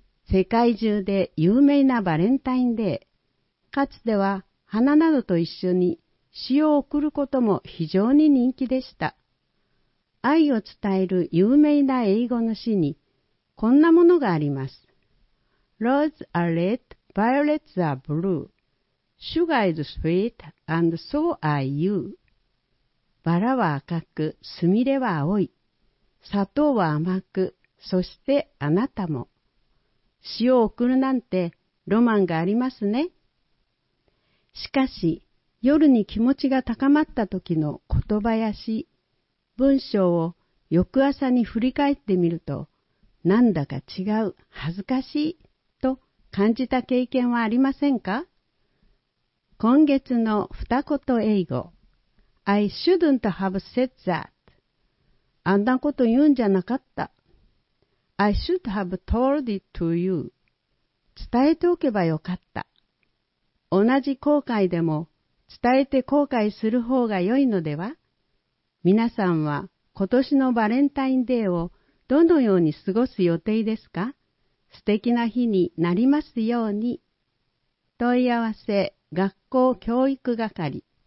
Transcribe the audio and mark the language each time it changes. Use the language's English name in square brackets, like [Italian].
[Japanese] 世界中で有名なバレンタインデー。かつては花などと一緒に詩を贈ることも非常に人気でした。愛を伝える有名な英語の詩にこんなものがあります。 [English] Roses are red, violets are blue. Sugar is sweet, and so are you. [Japanese] バラは赤く、スミレは青い。砂糖は甘く、そしてあなたも。詩を贈るなんてロマンがありますね。しかし、夜に気持ちが高まった時の言葉や詩、文章を翌朝に振り返ってみると、なんだか違う、恥ずかしい、と感じた経験はありませんか？今月の二言英語。 [English] I shouldn't have said that. [Japanese] あんなこと言うんじゃなかった。 [English] I should have told it to you. [Japanese] 伝えておけばよかった。同じ後悔でも伝えて後悔する方が良いのでは？皆さんは今年のバレンタインデーをどのように過ごす予定ですか？素敵な日になりますように。問い合わせ、学校教育係。